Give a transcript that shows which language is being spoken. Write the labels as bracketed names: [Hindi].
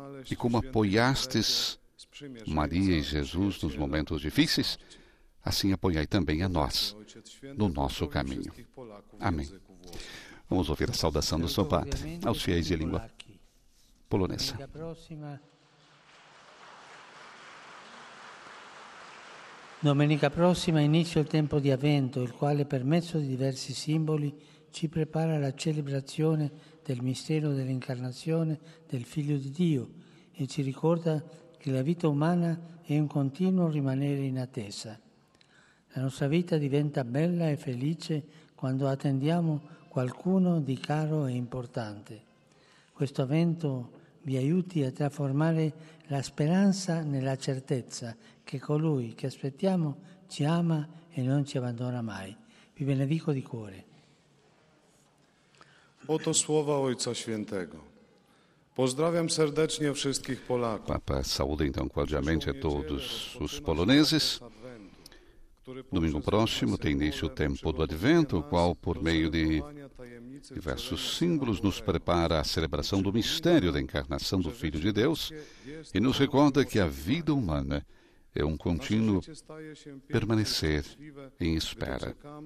[Portuguese] E como apoiastes Maria e Jesus nos momentos difíceis, assim apoiai também a nós no nosso caminho. Amém. Vamos ouvir a saudação do seu padre aos fiéis de língua polonesa. [Italian] Domenica prossima inizia il tempo di Avvento, il quale, per mezzo di diversi simboli, ci prepara la celebrazione del mistero dell'incarnazione del Figlio di Dio e ci ricorda che la vita umana è un continuo rimanere in attesa. La nostra vita diventa bella e felice quando attendiamo qualcuno di caro e importante. Questo Avvento vi aiuti a trasformare la speranza nella certezza che colui che aspettiamo ci ama e non ci abbandona mai. Vi benedico di cuore. [Polish] Oto słowa Ojca Świętego. Pozdrawiam serdecznie wszystkich Polaków. [Portuguese] Papa saluda então cordialmente a todos os poloneses. Domingo próximo tem início o tempo do Advento, o qual, por meio de diversos símbolos, nos prepara a celebração do mistério da encarnação do Filho de Deus e nos recorda que a vida humana é um contínuo permanecer em espera.